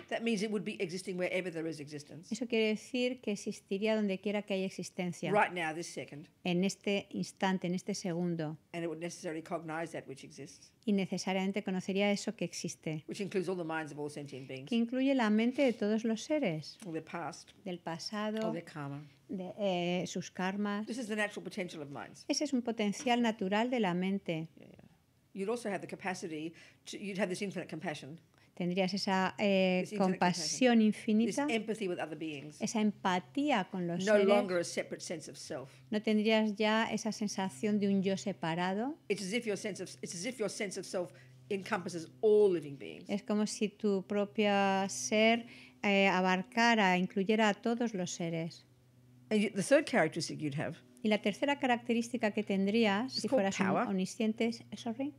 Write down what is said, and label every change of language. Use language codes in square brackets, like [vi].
[en] That means it would be existing wherever there is existence. [es] Eso quiere decir que existiría donde quiera que haya existencia. [en] Right now, this second. [es] En este instante, en este segundo. [en] And it would necessarily cognize that which exists. [es] Y necesariamente conocería eso que existe. [en] Which includes all the minds of all sentient beings. [es] Que incluye la mente de todos los seres. [en] Or the past. [es] Del pasado. [en] Or the karma. [es] De sus karmas. [en] This is the natural potential of minds. [es] Ese es un potencial natural de la mente. [en] You'd also have the capacity you'd have this infinite compassion. [es] Tendrías esa compasión infinita. [en] This empathy with other beings. [es] Esa empatía con los [en] no [es] seres. [en] Longer a separate sense of self. [es] No tendrías ya esa sensación de un yo separado. [en] It's as if your sense of self encompasses all living beings. [es] Es como si tu propio ser abarcara, incluyera a todos los seres. [en] And the third characteristic you'd have. [es] Y la tercera característica que tendrías si fueras omnisciente, [en] sorry,